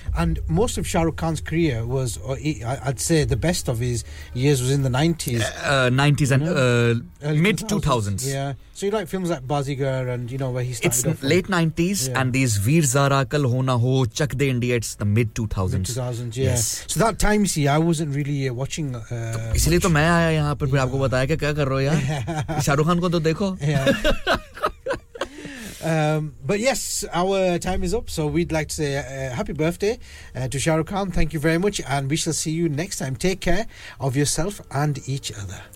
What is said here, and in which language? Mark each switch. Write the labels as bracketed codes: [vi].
[en] And most of Shah Rukh Khan's career was, I'd say the best of his years was in the 90s. 90s and mid-2000s. Yeah. So you like films like Bazigar and, you know, where he started. It's late 90s yeah. and these Veer Zara Kal Hona Ho, Chak De India, it's the mid-2000s. Yeah. Yes. So that time, see, I wasn't really watching. [hi] इसलिए तो मैं आया यहाँ पर फिर आपको बताया कि क्या कर रहे हो यार शाहरुख खान को तो देखो [en] But yes, our time is up, so we'd like to say happy birthday to Shah Rukh Khan. Thank you very much, and we shall see you next time. Take care of yourself and each other.